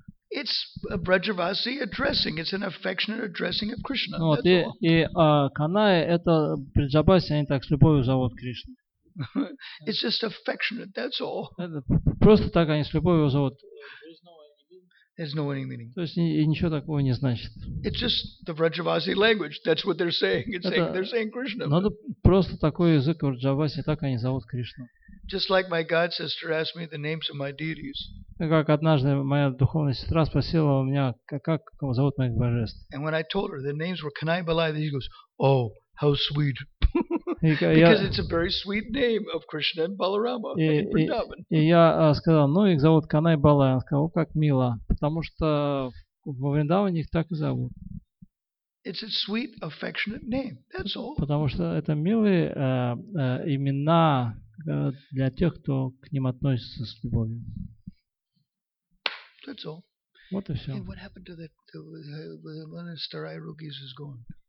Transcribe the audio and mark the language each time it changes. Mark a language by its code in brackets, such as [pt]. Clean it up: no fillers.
[en] It's a Brajavasi addressing. It's an affectionate addressing of Krishna. [ru] Ну вот и Kanaya это Брджабаси, они так с любовью зовут Кришну. [en] It's just affectionate. That's all. [ru] Просто так они с любовью зовут. [en] Has no any meaning. [ru] То есть и ничего такого не значит. [en] It's just the Vrajavasi language. That's what they're saying. They're saying Krishna. [ru] Надо просто такой язык в Раджавасе, так они зовут Кришну. [en] Just like my god sister asked me the names of my deities. [ru] Как однажды моя духовная сестра спросила у меня, как зовут моих божеств. [en] And when I told her the names were Kanai Balai, she goes, "Oh, how sweet." Because it's a very sweet name of Krishna and Balarama. [ru] И я сказал, ну их зовут Канай Балай. Он сказал, как мило, потому что во Вриндаване их так и зовут. [en] It's a sweet, affectionate name. That's all. [ru] Потому что это милые имена для тех, кто к ним относится с любовью. [en] That's all. [ru] Вот и все. [en] And what happened to the monster I rookies is gone.